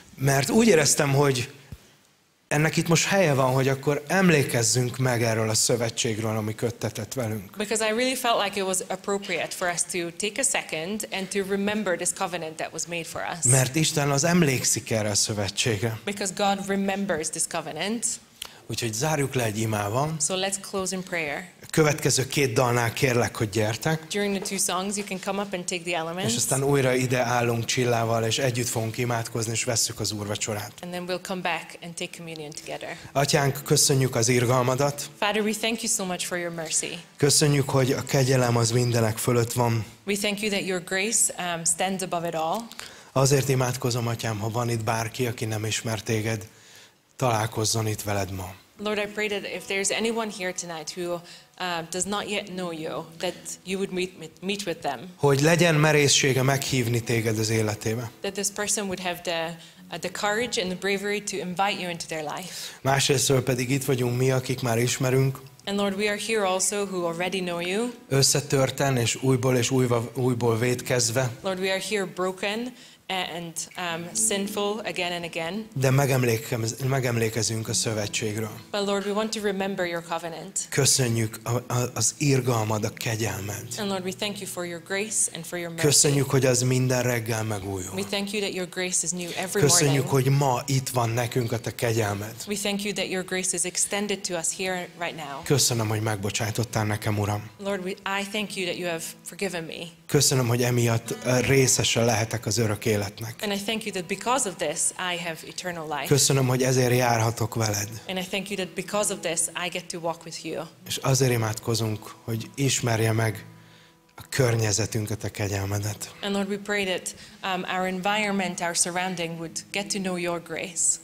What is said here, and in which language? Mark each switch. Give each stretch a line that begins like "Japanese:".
Hungarian: Mert úgy éreztem, hogy ennek itt most helye van, hogy akkor emlékezzünk meg erről a szövetségről, ami köttetett velünk.
English: Because I really felt like it was appropriate for us to take a second and to remember this covenant that was made for us.
Hungarian: Mert Isten az emlékszik erre a szövetségre.
English: Because God remembers this covenant.
Hungarian: Úgyhogy zárjuk le egy imával.
English: So let's close in prayer.
Hungarian: A következő két dalnál kérlek, hogy gyertek.
English: During the two songs you can come up and take the elements.
Hungarian: És aztán újra ide állunk Csillával, és együtt fogunk imádkozni, és vesszük az úrvacsorát.
English: And then we'll come back and take communion together.
Hungarian: Atyánk, köszönjük az irgalmadat.
English: Father, we thank you so much for your mercy.
Hungarian: Köszönjük, hogy a kegyelem az mindenek fölött van.
English: We thank you that your grace stands above it all.
Hungarian: Azért imádkozom, Atyám, ha van itt bárki, aki nem ismer téged, találkozzon itt veled ma.
English: Lord, I pray that if there's anyone here tonight who does not yet know you, that you would meet with them.
Hungarian: Hogy legyen merészsége meghívni téged az életébe.
English: That this person would have the courage and the bravery to invite you into their life.
Hungarian: Másrészt pedig itt vagyunk mi, akik már ismerünk.
English: And Lord, we are here also who already know you.
Hungarian: Összetörten és újból vétkezve.
English: Lord, we are here broken and sinful again and again.
Hungarian: De megemlékezünk a szövetségről.
English: But Lord, we want to remember your covenant.
Hungarian: Köszönjük az irgalmad, a kegyelmed.
English: And Lord, we thank you for your grace and for your mercy.
Hungarian: Köszönjük, hogy az minden reggel megújul.
English: We thank you that your grace is new every
Hungarian: Köszönjük,
English: morning.
Hungarian: Hogy ma itt van nekünk a te kegyelmed.
English: We thank you that your grace is extended to us here right now.
Hungarian: Köszönöm, hogy megbocsájtottál nekem, Uram.
English: Lord, I thank you that you have forgiven me.
Hungarian: Köszönöm, hogy emiatt részese lehetek az örök életnek.
English: And I thank you that because of this I have eternal life.
Hungarian: Köszönöm, hogy ezért járhatok veled.
English: And I thank you that because of this I get to walk with you.
Hungarian: És azért imádkozunk, hogy ismerje meg a környezetünket, a kegyelmedet.
English: And Lord, we pray that our environment, our surrounding would get to know your grace.